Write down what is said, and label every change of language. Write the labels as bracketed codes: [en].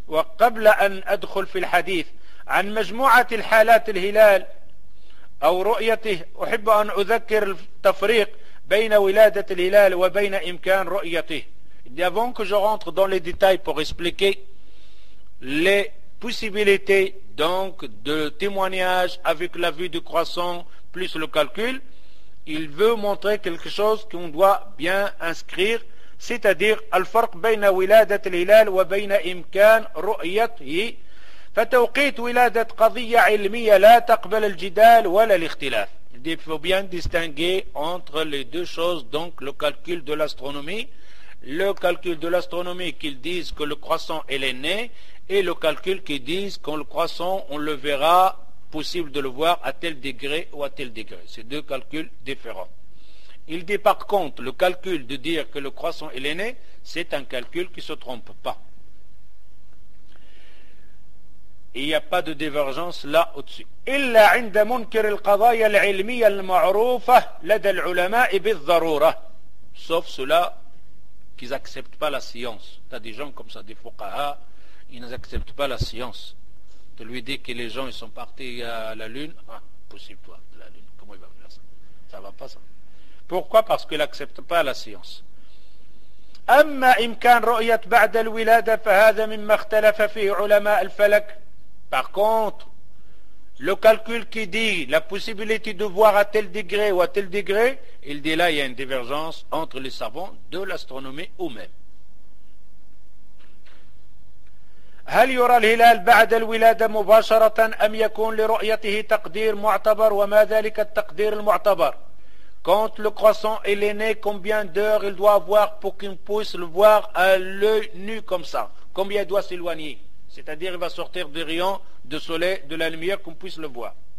[ar] وقبل أن أدخل في الحديث عن مجموعة الحالات الهلال أو رؤيته، أحب أن أذكر التفريق بين ولادة الهلال وبين إمكان رؤيته. [fr] Avant que je rentre dans les détails pour expliquer les possibilités donc de témoignage avec la vue du croissant plus le calcul, il veut montrer quelque chose qu'on doit bien inscrire, c'est-à-dire [ar] al-farq bayna wiladat al-hilal wa bayna imkan ru'yatihi. فتوقيت ولادة قضية علمية لا تقبل الجدال ولا الاختلاف. [fr] Il faut bien distinguer entre les deux choses, donc le calcul de l'astronomie, le calcul de l'astronomie qu'ils disent que le croissant est né, et le calcul qu'ils disent qu'on le croissant, on le verra, possible de le voir à tel degré ou à tel degré. C'est deux calculs différents. Il dit par contre, le calcul de dire que le croissant est né, c'est un calcul qui ne se trompe pas. Il n'y a pas de divergence là au-dessus. [ar] إلا عند منكر القضايا العلمية المعروفة لدى العلماء بالضرورة. [fr] Sauf ceux-là qui n'acceptent pas la science. T'as des gens comme ça, des fuqaha, ils n'acceptent pas la science. Tu lui dis que les gens ils sont partis à la lune, ah, possible toi, la lune, comment il va venir ça? Ça va pas ça. Pourquoi? Parce qu'ils n'acceptent pas la science. [ar] أما إمكان رؤية بعد الولادة فهذا مما اختلف فيه علماء الفلك. [fr] Par contre, le calcul qui dit la possibilité de voir à tel degré ou à tel degré, il dit là il y a une divergence entre les savants de l'astronomie eux-mêmes. [ar] هل يرى الهلال بعد الولادة مباشرة أم يكون لرؤيته تقدير معتبر وما ذلك التقدير المعتبر؟ [fr] Quand le croissant est né, combien d'heures il doit avoir pour qu'il puisse le voir à l'œil nu comme ça? Combien il doit s'éloigner? C'est-à-dire il va sortir des rayons de soleil, de la lumière, qu'on puisse le voir.